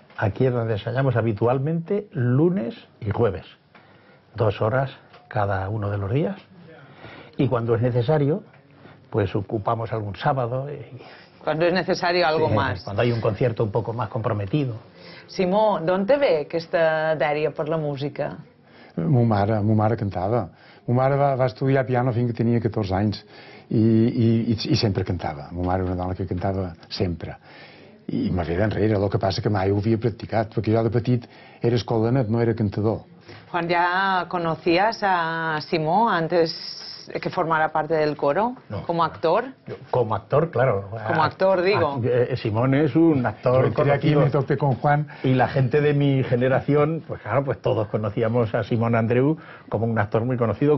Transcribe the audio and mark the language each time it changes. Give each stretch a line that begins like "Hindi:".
Spanish: Aquí es donde ensayamos habitualmente lunes y jueves. 2 horas cada uno de los días. Y cuando es necesario, pues ocupamos algún sábado. Cuando es necesario algo más. Cuando hay un concierto un poco más comprometido.
Catalan: Simó, ¿d'on te ve aquesta dèria per la música? Mo mare cantava. Mo mare va estudiar piano fins que tenia 14 anys. I sempre cantava. Mo mare era una dona que cantava sempre. I me ve d'enrere, el que passa que mai ho havia practicat, perquè jo de petit era escolanet, no era cantador.
Spanish: Juan, ¿ya conocías a Simó antes que formara parte del coro? No. ¿Como actor? Como actor, claro. Como actor, digo. Simó es un actor conocido. Aquí me topé con Juan. Y la gente de mi generación, pues claro, pues todos conocíamos a Simó Andreu como un actor muy conocido.